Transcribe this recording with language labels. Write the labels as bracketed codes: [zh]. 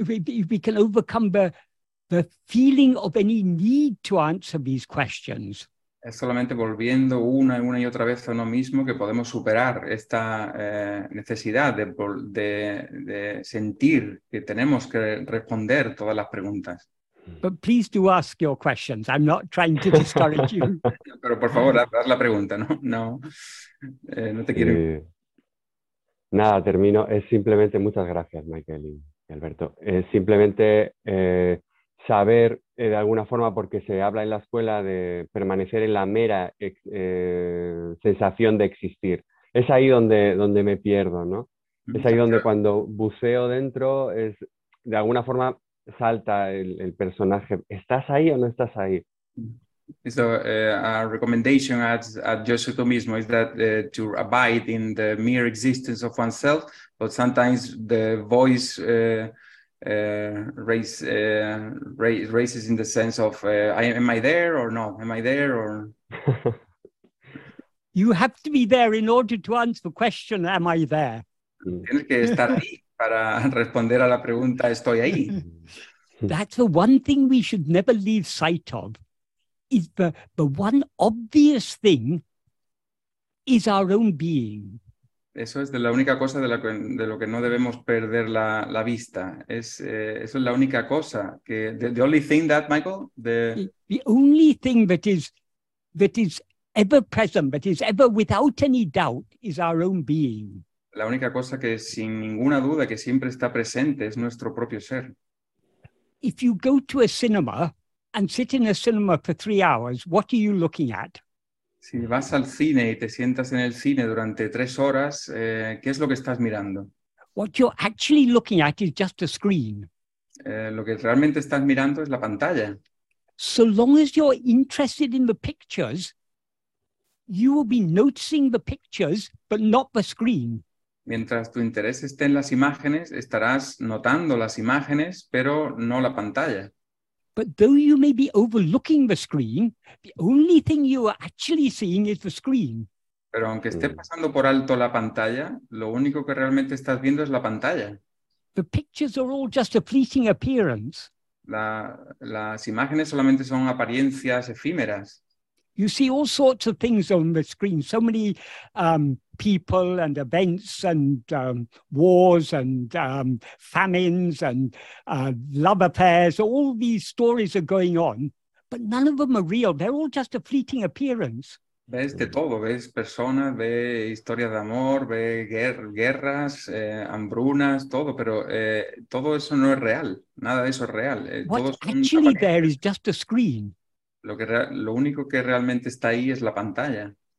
[en] We can overcome the feeling of any need to answer these questions. [es] Es solamente volviendo una y otra vez a uno mismo que podemos superar esta necesidad de sentir que tenemos que responder todas las preguntas. [en] But please do ask your questions. I'm not trying to discourage you. [es] Pero por favor, haz la pregunta, ¿no? No, no te quiero. Sí. Nada, termino. Es simplemente, muchas gracias, Michael y Alberto. Es simplemente saber de alguna forma, porque se habla en la escuela de permanecer en la mera sensación de existir. Es ahí donde me pierdo, ¿no? Es ahí donde cuando buceo dentro, es de alguna forma salta el personaje. ¿Estás ahí o no estás ahí? [en] A recommendation at just [es] tú mismo [en] is that to abide in the mere existence of oneself, but sometimes the voice raises in the sense of am I there or no? Am I there or You have to be there in order to answer the question, am I there? [es] Tienes que estar ahí para responder a la pregunta, estoy ahí. [en] That's the one thing we should never lose sight of. Is the one obvious thing is our own being. [es] Eso es de la única cosa de lo que no debemos perder la vista. Eso es la única cosa que [en] the only thing that Michael the The only thing that is ever present, that is ever without any doubt, is our own being. [es] La única cosa que sin ninguna duda que siempre está presente es nuestro propio ser. [en] If you go to a cinema and sit in a cinema for 3 hours, what are you looking at? [es] Si vas al cine y te sientas en el cine durante 3 horas, ¿qué es lo que estás mirando? [en] What you're actually looking at is just a screen. [es] Lo que realmente estás mirando es la pantalla. [en] So long as you're interested in the pictures, you will be noticing the pictures, but not the screen. [es] Mientras tu interés esté en las imágenes, estarás notando las imágenes, pero no la pantalla. [en] But though you may be overlooking the screen, the only thing you are actually seeing is the screen. [es] Pero aunque esté pasando por alto la pantalla, lo único que realmente estás viendo es la pantalla. [en] The pictures are all just a fleeting appearance. [es] Las imágenes solamente son apariencias efímeras. [en] You see all sorts of things on the screen, so many people and events and wars and famines and love affairs. All these stories are going on, but none of them are real. They're all just a fleeting appearance. [es] Ves de todo, ves personas, ves historias de amor, ves guerras, hambrunas, todo, pero todo eso no es real, nada de eso es real, [en] What's [es] todo son [en] actually there [es] apariencias. [en] is just a screen. [es] Lo único que realmente está ahí es la pantalla.